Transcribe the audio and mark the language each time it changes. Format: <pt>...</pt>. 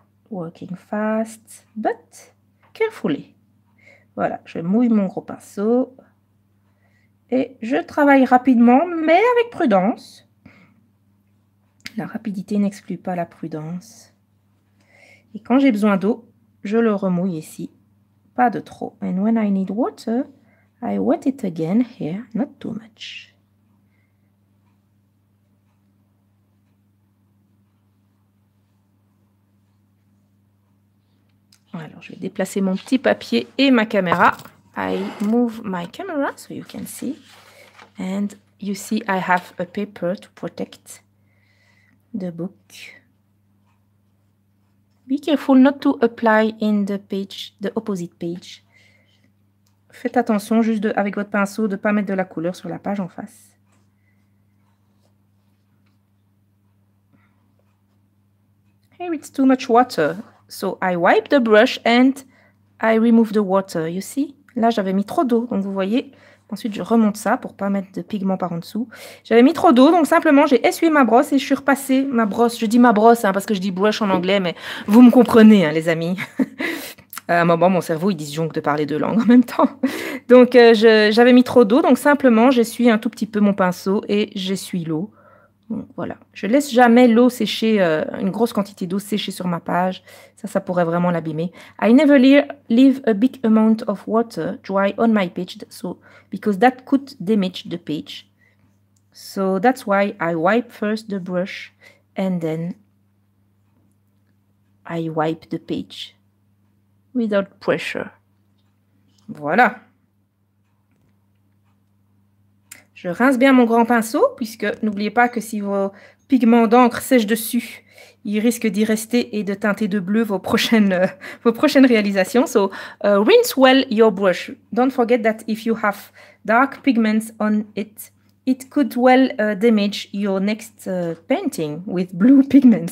<en>Working fast, but carefully.</en> <fr>Voilà, je mouille mon gros pinceau. Et je travaille rapidement, mais avec prudence. La rapidité n'exclut pas la prudence. Et quand j'ai besoin d'eau, je le remouille ici. Pas de trop.</fr> <en>And when I need water, I wet it again here. Not too much.</en> <fr>Alors, je vais déplacer mon petit papier et ma caméra.</fr> <en>I move my camera so you can see. And you see I have a paper to protect the book. Be careful not to apply in the page, the opposite page.</en> <fr>Faites attention juste de, avec votre pinceau de ne pas mettre de la couleur sur la page en face.</fr> <en>Here it's too much water. So I wipe the brush and I remove the water. You see?</en> <fr>Là, j'avais mis trop d'eau. Donc, vous voyez. Ensuite, je remonte ça pour ne pas mettre de pigments par en dessous. J'avais mis trop d'eau. Donc, simplement, j'ai essuyé ma brosse et je suis repassée. Ma brosse. Je dis ma brosse hein, parce que je dis brush en anglais. Mais vous me comprenez, hein, les amis. À un moment, mon cerveau, il disjoncte de parler deux langues en même temps. Donc, j'avais mis trop d'eau. Donc, simplement, j'essuie un tout petit peu mon pinceau et j'essuie l'eau. Voilà, je laisse jamais l'eau sécher, une grosse quantité d'eau séchée sur ma page. Ça, ça pourrait vraiment l'abîmer.</fr> <en>I never leave a big amount of water dry on my page, so because that could damage the page. So that's why I wipe first the brush and then I wipe the page without pressure.</en> <fr>Voilà. Je rince bien mon grand pinceau, puisque n'oubliez pas que si vos pigments d'encre sèchent dessus, ils risquent d'y rester et de teinter de bleu vos prochaines réalisations.</fr> <en>So, rinse well your brush. Don't forget that if you have dark pigments on it, it could well damage your next painting with blue pigments.</en>